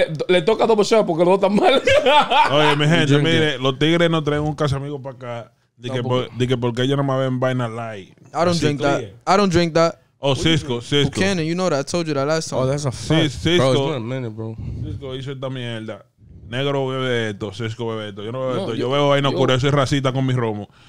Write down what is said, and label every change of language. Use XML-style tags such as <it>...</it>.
<es>Le toca double shot porque los dos están mal. Oye, mi gente, mire, los tigres no traen un caso amigo para acá. Dije porque ellos no me ven vaina light.</es> <en>I don't drink that. I don't drink that. Oh, Cisco. Cannon, you know that. I told you that last time. Oh, that's a fact. Cisco. Bro, it's been a minute, bro.</en> <es>Cisco hizo esta mierda. Negro bebe esto, Cisco bebe esto. Yo no bebo esto. Yo bebo vaina oscura. Yo soy racista con mi romo.</es>